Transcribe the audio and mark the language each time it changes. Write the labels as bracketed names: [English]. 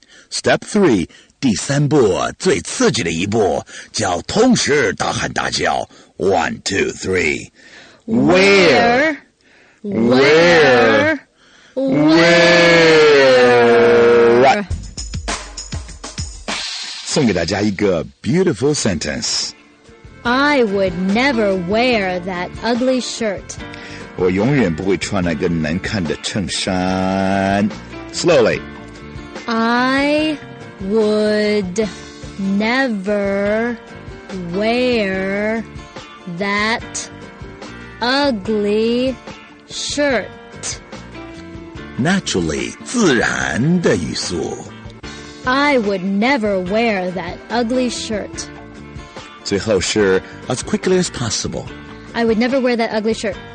[English] Step 3, [Chinese] 第三步最刺激的一步叫同时大喊大叫。 [English] One, two, three. Where? Where? Where? [Chinese] 送给大家一个 [English] beautiful sentence. I would never wear that ugly shirt. [Chinese] 我永远不会穿那个难看的衬衫。 [English] Slowly. I would never wear that ugly shirt. Naturally, [Chinese] 自然的语速。 [English] I would never wear that ugly shirt. [Chinese] 最后是 [English] as quickly as possible. I would never wear that ugly shirt.